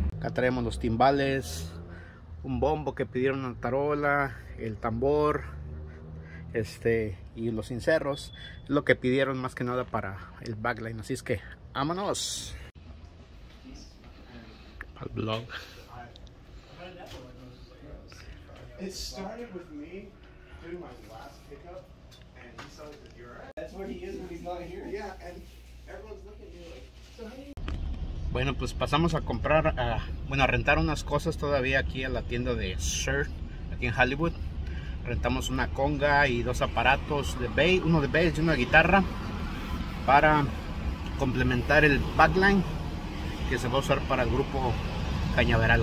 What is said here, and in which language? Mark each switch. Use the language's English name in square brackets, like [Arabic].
[Spanish] Acá traemos los timbales, un bombo que pidieron una tarola, el tambor. Y los cencerros es lo que pidieron más que nada para el backline, así es que vámonos al blog. [English] It started with me doing my last pickup and he saw the Dura. That's what he is when he's not here. Yeah, and everyone's looking at me like, so how do you... [Spanish] Bueno, pues pasamos a comprar, a rentar unas cosas todavía aquí a la tienda de Sir, aquí en Hollywood. Rentamos una conga y dos aparatos de bass, uno de bass y una guitarra para complementar el backline que se va a usar para el grupo Cañaveral.